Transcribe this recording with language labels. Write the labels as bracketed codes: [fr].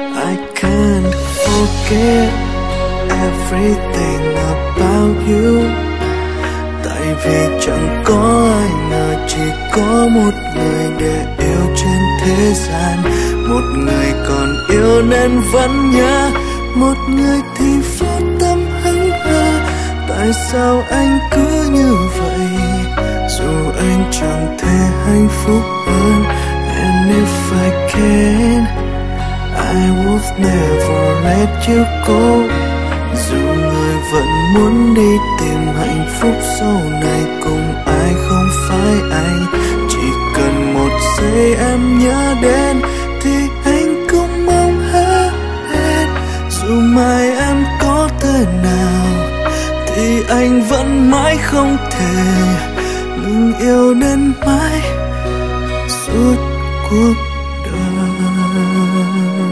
[en] I can't forget everything about you. [vi] Tại vì chẳng có ai ngờ chỉ có một người để yêu trên thế gian. Một người còn yêu nên vẫn nhớ, một người thì vô tâm hững hờ. Tại sao anh cứ như vậy? Dù anh chẳng thể hạnh phúc hơn. [en] And if I can, I would never let you go. [vi] Dù người vẫn muốn đi tìm hạnh phúc sau này cùng ai không phải anh. Chỉ cần một giây em nhớ đến thì anh cũng mong hết. Dù mai em có thế nào thì anh vẫn mãi không thể ngừng yêu đến mãi suốt cuộc đời.